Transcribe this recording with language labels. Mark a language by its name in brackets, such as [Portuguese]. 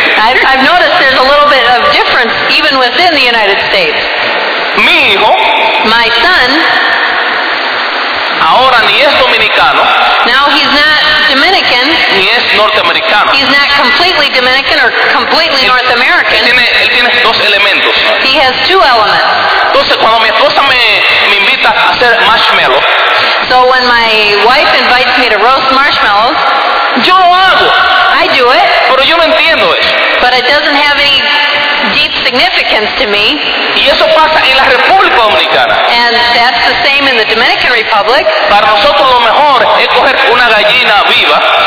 [English] I've noticed there's a little bit of difference even within the United States. [Spanish] Mi hijo. [English] My son. [Spanish] Ahora ni es dominicano. [English] Now he's not Dominican. [Spanish] Ni es norteamericano. [English] He's not completely Dominican or completely North American. [Spanish] Él tiene dos elementos. [English] He has two elements. [Spanish] Entonces, cuando mi esposa me invita a hacer marshmallow, [English] so when my wife invites me to roast marshmallows, [Spanish] yo lo hago. [English] I do it. [Spanish] Pero yo no entiendo eso. [English] But it doesn't have any deep significance to me. [Spanish] Y eso pasa en la República Dominicana. [English] And that's the same in the Dominican Republic. [Spanish] Para nosotros lo mejor es coger una gallina viva.